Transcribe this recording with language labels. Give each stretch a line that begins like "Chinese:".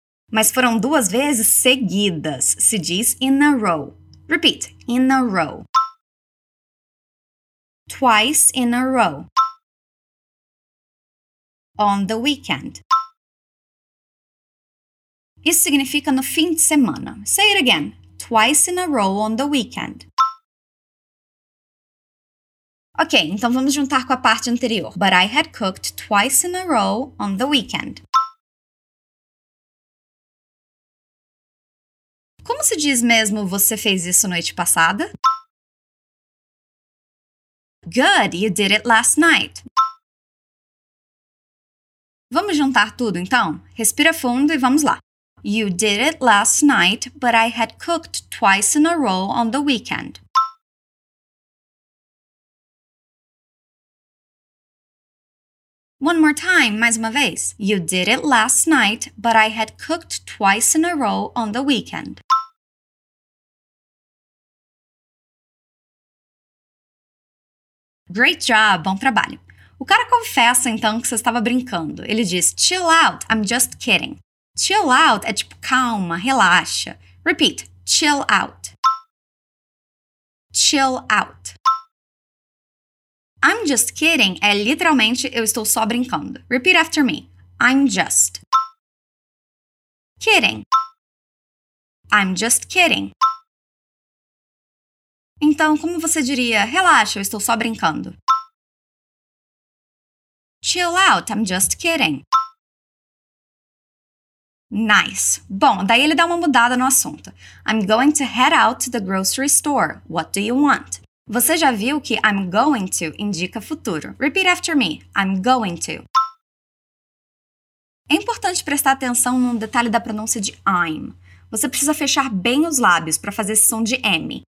Portuguese: Mas foram duas vezes seguidas, se diz
English: in a row. Repeat, in a row. Twice in a row. On the weekend.
Portuguese: Isso significa no fim de semana.
English: Say it again. Twice in a row on the weekend.
Portuguese: Ok, então vamos juntar com a parte anterior.
English: But I had cooked twice in a row on the weekend.
Portuguese: Como se diz mesmo você fez isso noite passada?
English: Good, you did it last night.
Portuguese: Vamos juntar tudo então? Respira fundo e vamos lá.
English: You did it last night, but I had cooked twice in a row on the weekend. One more time,
Portuguese: mais uma vez.
English: You did it last night, but I had cooked twice in a row on the weekend. Great job,
Portuguese: bom trabalho. O cara confessa, então, que você estava brincando. Ele diz,
English: chill out, I'm just kidding.
Portuguese: Chill out é tipo, calma, relaxa.
English: Repeat, chill out. Chill out. I'm just kidding
Portuguese: é literalmente, eu estou só brincando.
English: Repeat after me. I'm just kidding. I'm just kidding.
Portuguese: Então, como você diria, relaxa, eu estou só brincando?
English: Chill out, I'm just kidding. Nice.
Portuguese: Bom, daí ele dá uma mudada no assunto.
English: I'm going to head out to the grocery store. What do you want?
Portuguese: Você já viu que
English: I'm going to
Portuguese: indica futuro.
English: Repeat after me. I'm going to.
Portuguese: É importante prestar atenção num detalhe da pronúncia de I'm. Você precisa fechar bem os lábios para fazer esse som de M.